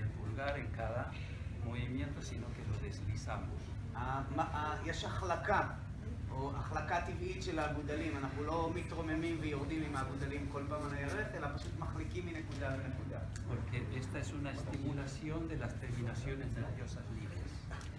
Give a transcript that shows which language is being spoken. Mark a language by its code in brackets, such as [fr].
[es] estar en cada movimiento, sino que lo deslizamos. [he] יש החלקה או החלקה טבעית של הגודלים. אנחנו לא מתרוממים ויורדים עם הגודלים כל פעם על הירך, אלא פשוט מחליקים מנקודה לנקודה. [es] Porque esta es una estimulación de las terminaciones nerviosas libres.